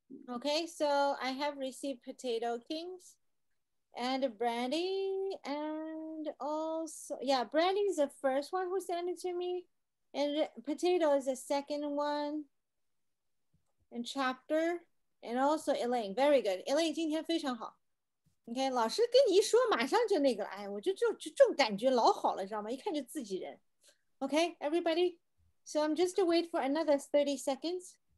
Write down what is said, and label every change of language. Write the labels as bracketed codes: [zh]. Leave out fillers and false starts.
[en] Okay, so I have received potato kings and brandy, and also, yeah, brandy is the first one who sent it to me, and potato is the second one, and chapter, and also Elaine. Very good. Elaine, [zh] 今天非常好。 Okay, 老师跟你一说马上就那个了，哎，我就这种感觉老好了，知道吗？一看就自己人。 [en] Okay, everybody, so I'm just to wait for another 30 seconds.